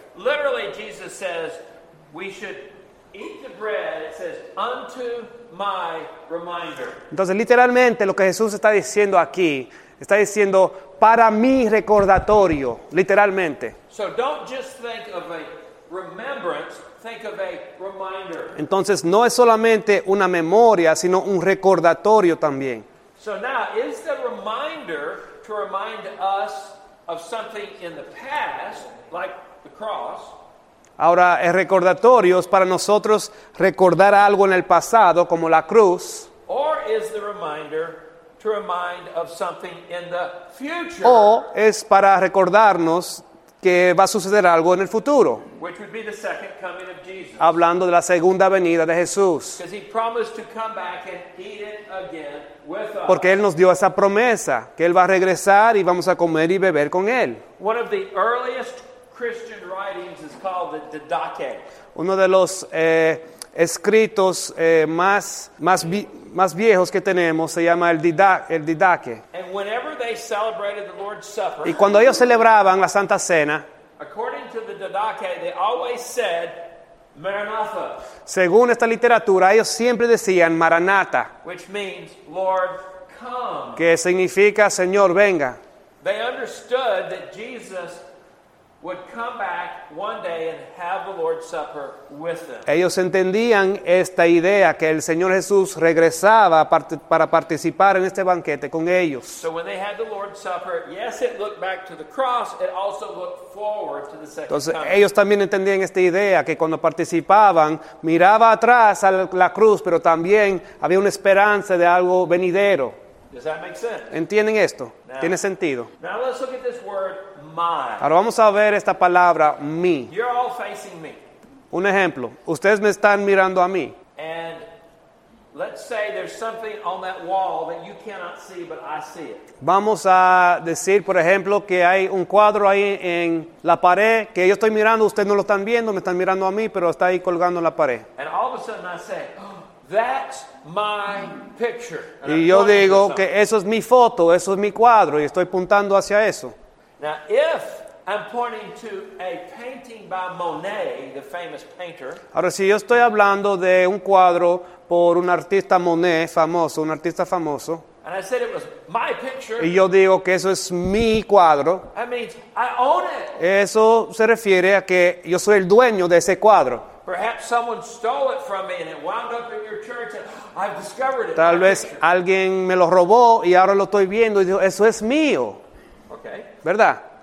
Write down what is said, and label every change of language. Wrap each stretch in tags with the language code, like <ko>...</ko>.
<en>literally Jesus says, we should eat the bread, it says, unto my reminder.</en> <es>Entonces, literalmente, lo que Jesús está diciendo aquí, está diciendo, para mi recordatorio, literalmente.</es> <en>So, don't just think of a remembrance, think of a reminder.</en> <es>Entonces no es solamente una memoria, sino un recordatorio también.</es> <en>So now, is the reminder to remind us of something in the past, like the cross?</en> <es>Ahora, el recordatorio es para nosotros recordar algo en el pasado, como la cruz.</es> <en>Or is the reminder to remind of something in the future?</en> <es>O es para recordarnos que va a suceder algo en el futuro.</es> <en>Which would be the second coming of Jesus.</en> <es>Hablando de la segunda venida de Jesús.</es> <en>Because he promised to come back and eat it again with us.</en> <es>Porque Él nos dio esa promesa, que Él va a regresar y vamos a comer y beber con Él.</es> <en>One of the earliest Christian writings is called the Didache.</en> <es>Uno de los escritos más viejos que tenemos se llama el Didache.</es> <en>And whenever they celebrated the Lord's Supper,</en> <es>y cuando ellos celebraban la Santa Cena,</es> <en>according to the Didache, they always said, Maranatha.</en> <es>Según esta literatura, ellos siempre decían Maranatha,</es> <en>which means, Lord, come.</en> <es>Que significa Señor, venga.</es> <en>They understood that Jesus would come back one day and have the Lord's Supper with them.</en> <es>Ellos entendían esta idea que el Señor Jesús regresaba para participar en este banquete con ellos.</es> <en>So when they had the Lord's Supper, yes, it looked back to the cross, it also looked forward to the second</en> <es>Entonces,</es> <en>coming.</en> <es>Entonces ellos también entendían esta idea que cuando participaban miraba atrás a la cruz, pero también había una esperanza de algo venidero.</es> <en>Does that make sense?</en> <es>¿Entienden esto? Now, tiene sentido.</es> <en>Now let's look at this word. My.</en> <es>Ahora vamos a ver esta palabra, mi.</es> <en>You're all facing me.</en> <es>Un ejemplo, ustedes me están mirando a mí.</es> <en>And let's say there's something on that wall that you cannot see, but I see it.</en> <es>Vamos a decir, por ejemplo, que hay un cuadro ahí en la pared que yo estoy mirando, ustedes no lo están viendo, me están mirando a mí, pero está ahí colgando en la pared.</es> <en>And all of a sudden I say, oh, that's my picture. And</en> <es>y yo digo que eso es mi foto, eso es mi cuadro, y estoy apuntando hacia eso.</es> <en>Now, if I'm pointing to a painting by Monet, the famous painter.</en> <es>Ahora, si yo estoy hablando de un cuadro por un artista Monet famoso, un artista famoso.</es> <en>And I said it was my picture.</en> <es>Y yo digo que eso es mi cuadro.</es> <en>That means I own it.</en> <es>Eso se refiere a que yo soy el dueño de ese cuadro.</es> <en>Perhaps someone stole it from me and it wound up in your church and I've discovered it.</en> <es>Tal vez alguien me lo robó y ahora lo estoy viendo y dijo, eso es mío. ¿Verdad?</es>